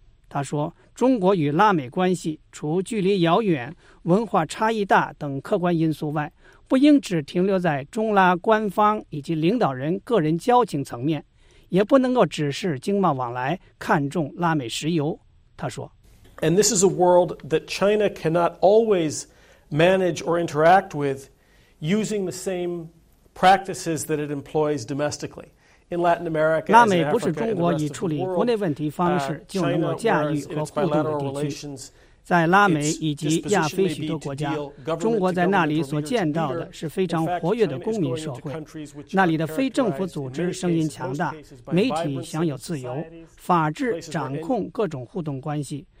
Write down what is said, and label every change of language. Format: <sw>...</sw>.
<zh>他说，中国与拉美关系除距离遥远、文化差异大等客观因素外，不应只停留在中拉官方以及领导人个人交情层面，也不能够只是经贸往来，看重拉美石油。他说，</zh> <en>And this is a world that China cannot always manage or interact with using the same practices that it employs domestically. In Latin America,</en> <zh>拉美不是中国以处理国内问题方式就能够驾驭和互动的地区。在拉美以及亚非许多国家，中国在那里所见到的是非常活跃的公民社会。那里的非政府组织声音强大，媒体享有自由，法治掌控各种互动关系。</zh>